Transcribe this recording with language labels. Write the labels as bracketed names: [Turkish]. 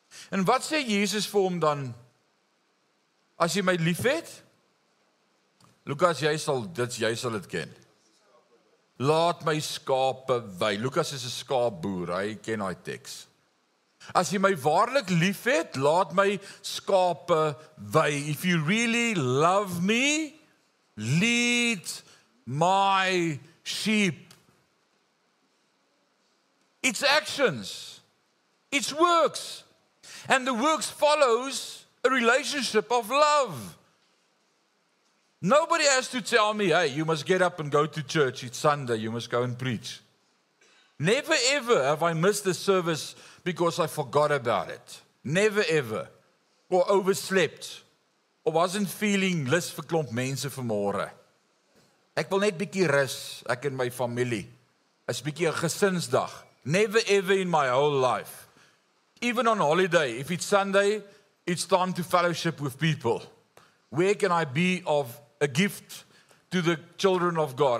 [Afrikaans] En wat sê Jesus vir hom dan, as jy my lief het? Lukas, jy sal het ken. Laat my skape wei. Lukas is 'n skaapboer, hy ken hy teks. As jy my waarlik lief het, laat my skape wei. [English] If you really love me, lead my sheep. It's actions. It's works. And the works follows a relationship of love. Nobody has to tell me, hey, you must get up and go to church. It's Sunday. You must go and preach. Never ever have I missed the service because I forgot about it. Never ever. Or overslept. Or wasn't feeling [Afrikaans] lus vir klomp mense vanmôre. Ek wil net bietjie rus, ek en my familie. Is bietjie 'n gesinsdag. [English] Never ever in my whole life. Even on holiday, if it's Sunday, it's time to fellowship with people. Where can I be of a gift to the children of God?